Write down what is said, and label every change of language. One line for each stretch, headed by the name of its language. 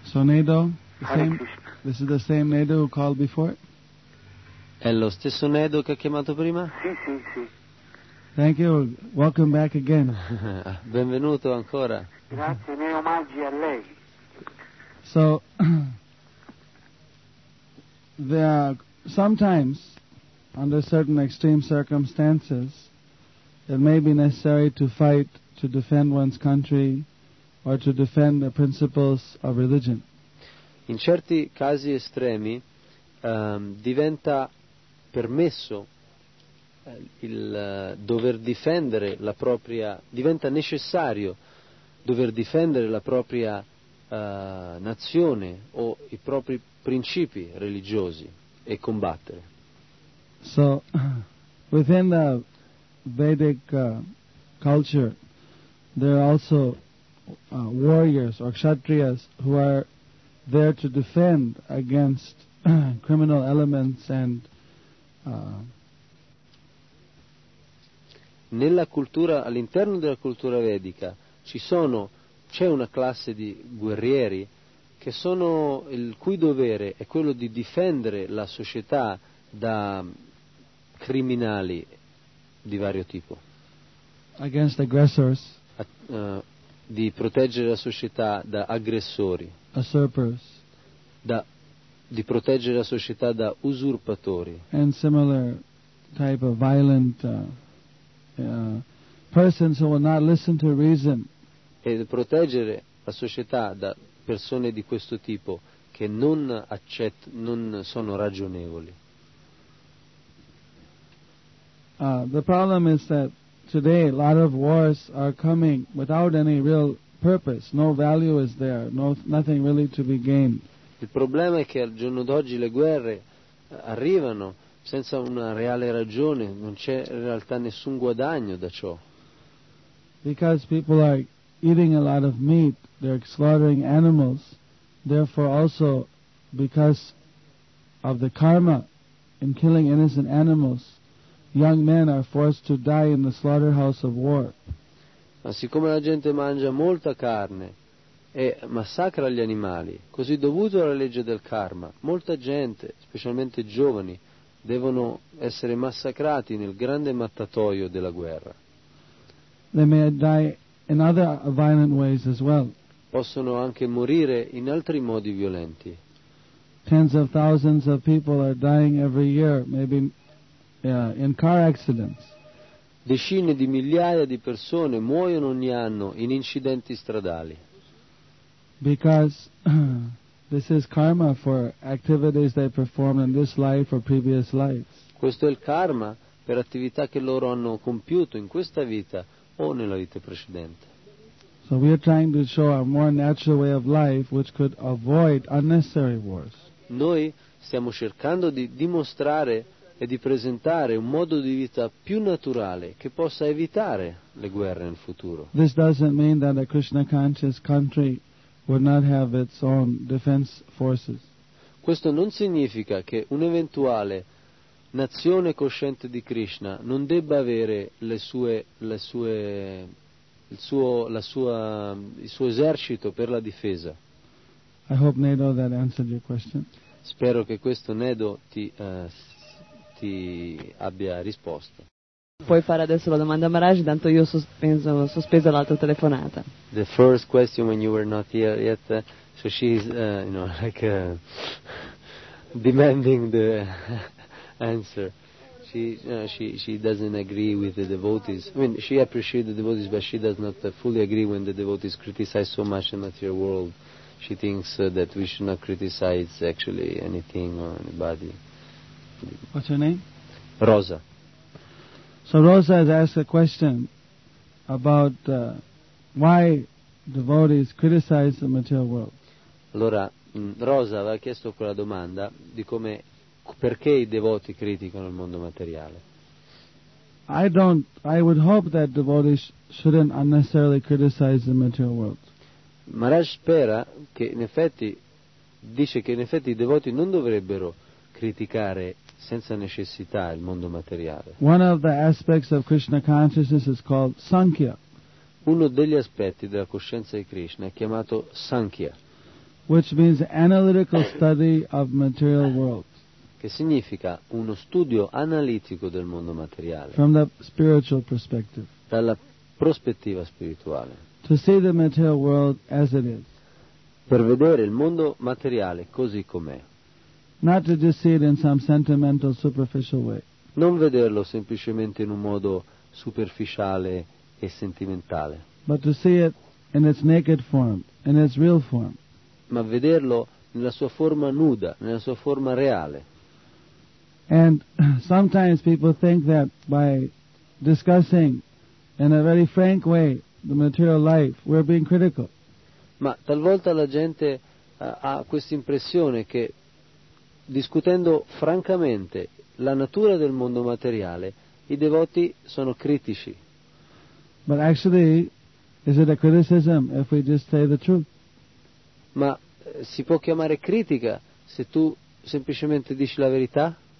English: So Nedo, this is the same Nedo who called before?
Italian: È lo stesso Nedo che ha chiamato prima? Sì.
English: Thank you. Welcome back again.
Italian: Benvenuto ancora. Grazie, miei omaggi a lei.
English: So, there are sometimes, under certain extreme circumstances, it may be necessary to fight to defend one's country, or to defend the principles of religion.
Italian: In certi casi estremi diventa permesso diventa necessario dover difendere la propria nazione o i propri principi religiosi e combattere.
English: So, within the Vedic culture, there are also warriors or kshatriyas who are there to defend against criminal elements and
Italian: nella cultura, all'interno della cultura vedica, c'è una classe di guerrieri che sono, il cui dovere è quello di difendere la società da criminali di vario tipo,
English: against aggressors,
Italian: di proteggere la società da aggressori,
English: usurpers,
Italian: di proteggere la società da usurpatori,
English: and similar type of violent persons who will not listen to reason,
Italian: e proteggere la società da persone di questo tipo che non sono ragionevoli.
English: The problem is that today a lot of wars are coming without any real purpose, no value is there, nothing really to be gained.
Italian: Il problema è che al giorno d'oggi le guerre arrivano senza una reale ragione, non c'è in realtà nessun guadagno da ciò.
English: Because people are eating a lot of meat, they're slaughtering animals, therefore also because of the karma in killing innocent animals, young men are forced to die in the slaughterhouse of war.
Italian: Ma siccome la gente mangia molta carne e massacra gli animali, così dovuto alla legge del karma, molta gente, specialmente giovani, devono essere massacrati nel grande mattatoio della guerra.
English: They may die in other violent ways as well.
Italian: Possono anche morire in altri modi violenti.
English: tens of thousands of people are dying every year, maybe in car accidents.
Italian: Decine di migliaia di persone muoiono ogni anno in incidenti stradali.
English: Because this is karma for activities they perform in this life or previous lives.
Italian: Questo è il karma per attività che loro hanno compiuto in questa vita o nella vita precedente.
English: So we are trying to show a more natural way of life which could avoid unnecessary wars.
Italian: Noi stiamo cercando di dimostrare e di presentare un modo di vita più naturale che possa evitare le guerre nel futuro.
English: This doesn't mean that a Krishna conscious country would not have its own defense forces.
Italian: Questo non significa che un'eventuale nazione cosciente di Krishna non debba avere il suo esercito per la difesa.
English: I hope Nedo that answered your question.
Italian: Spero che questo Nedo ti abbia risposto. Puoi fare adesso la domanda a Maharaj, tanto io sospeso l'altra telefonata.
English: The first question when you were not here yet, so she's demanding the answer. She doesn't agree with the devotees. I mean, she appreciates the devotees, but she does not fully agree when the devotees criticize so much the material world. She thinks that we should not criticize actually anything or anybody. What's her name? Rosa. So Rosa has asked a question about why devotees criticize the material world.
Italian: Allora, Rosa aveva chiesto quella domanda di come, perché i devoti criticano il mondo materiale.
English: I would hope that devotees shouldn't unnecessarily criticize the material world.
Italian: Maharaj spera che in effetti, dice che in effetti i devoti non dovrebbero criticare senza necessità il mondo materiale.
English: One of the aspects of Krishna consciousness is called Sankhya.
Italian: Uno degli aspetti della coscienza di Krishna è chiamato Sankhya,
English: which means analytical study of material world.
Italian: Che significa uno studio analitico del mondo materiale.
English: From the spiritual perspective.
Italian: Dalla prospettiva spirituale.
English: To see the material world as it is.
Italian: Per vedere il mondo materiale così com'è.
English: Not to just see it in some sentimental, superficial way.
Italian: Non vederlo semplicemente in un modo superficiale e sentimentale.
English: But to see it in its naked form, in its real form.
Italian: Ma vederlo nella sua forma nuda, nella sua forma reale.
English: And sometimes people think that by discussing in a very frank way the material life, we're being critical.
Italian: Ma talvolta la gente ha questa impressione che discutendo francamente la natura del mondo materiale, i devoti sono critici.
English: But actually, is it a criticism if we just say the truth?
Italian: Ma si può chiamare critica se tu semplicemente dici la verità?